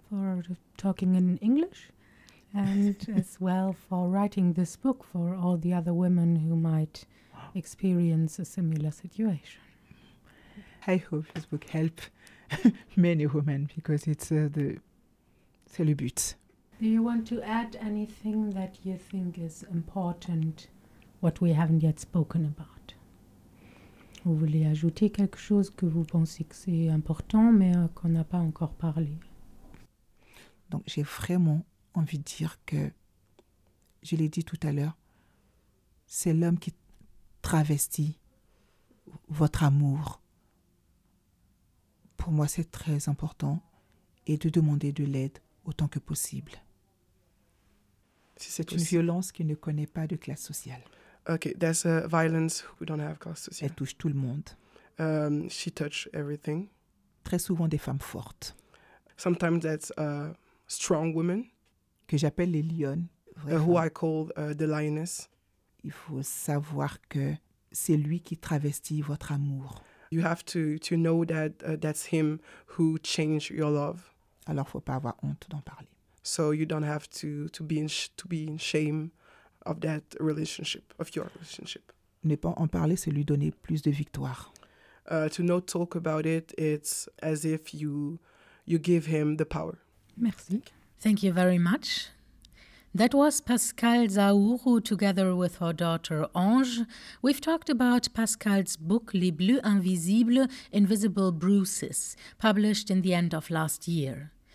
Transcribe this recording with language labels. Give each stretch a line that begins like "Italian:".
English: for talking in English, and as well for writing this book for all the other women who might experience a similar situation. I hope this book helps many women, because it's
French: c'est le but.
English: Do you want to add anything that you think is important, what we haven't yet spoken about?
French: Vous voulez ajouter quelque chose que vous pensez que c'est important, mais qu'on n'a pas encore parlé? Donc, j'ai vraiment envie de dire que, je l'ai dit tout à l'heure, c'est l'homme qui travestit votre amour. Pour moi, c'est très important, et de demander de l'aide autant que possible. C'est une violence qui ne connaît pas de classe sociale.
English: Okay, there's a violence who don't have class social.
French: Elle touche tout le monde.
English: She touches everything.
French: Très souvent des femmes fortes.
English: Sometimes that's strong women.
French: Que j'appelle les lionnes.
English: Who I call the lioness.
French: Il faut savoir que c'est lui qui travestit votre amour.
English: You have to know that that's him who changed your love.
French: Alors, faut pas avoir honte d'en parler.
English: So you don't have to be in shame of that relationship, of your relationship.
French: Ne pas en parler, c'est lui donner plus de victoire.
English: To not talk about it, it's as if you give him the power.
French: Merci.
English: Thank you very much. That was Pascale Zaourou together with her daughter Ange. We've talked about Pascale's book Les Bleus Invisibles, Invisible Bruises, published in the end of last year.